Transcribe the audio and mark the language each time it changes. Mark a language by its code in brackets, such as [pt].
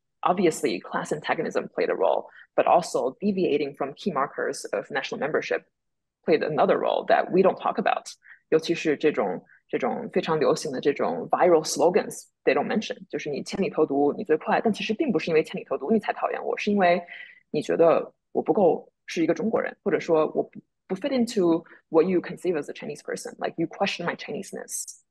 [en] Obviously, class antagonism played a role, but also deviating from key markers of national membership played another role that we don't talk about. [zh] 尤其是这种非常流行的这种 [en] viral slogans, they don't mention. [zh] 就是你千里投毒你最快，但其实并不是因为千里投毒你才讨厌我，是因为你觉得我不够是一个中国人，或者说我不 [en] 不 fit into what you conceive as a Chinese person, like you question my Chineseness。